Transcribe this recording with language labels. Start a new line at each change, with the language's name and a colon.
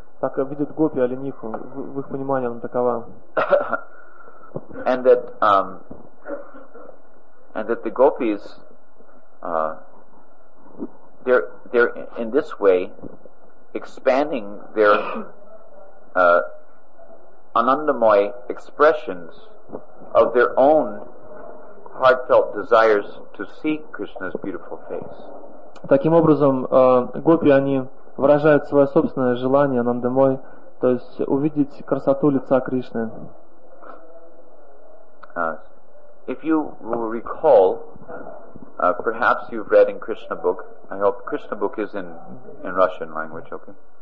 Russian: Так видят гопи олениху, в их понимании она такова.
English: And that, and that the gopis, they're in this way expanding their anandamoy expressions of their own heartfelt desires to see Krishna's beautiful face.
Russian: Таким образом, гопи, они выражают свое собственное желание, анандамой, то есть увидеть красоту лица Кришны.
English: If you will recall, perhaps you've read in Krishna book, I hope Krishna book is in Russian language, okay?